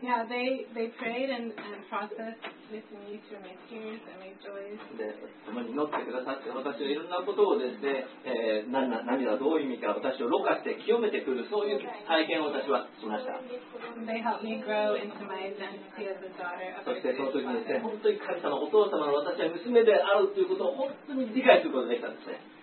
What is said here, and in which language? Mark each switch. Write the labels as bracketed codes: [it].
[en] they prayed and processed with me through my tears and my joys. [ja] で、共に祈ってくださって、私はいろんなことをですね、涙はどういう意味か、私をろ過して清めてくる、そういう体験を私はしました。 [en] They helped me grow into my identity as a daughter. [ja] そしてその時にですね、本当に神様、お父様の私は娘であるということを本当に理解することができたんですね。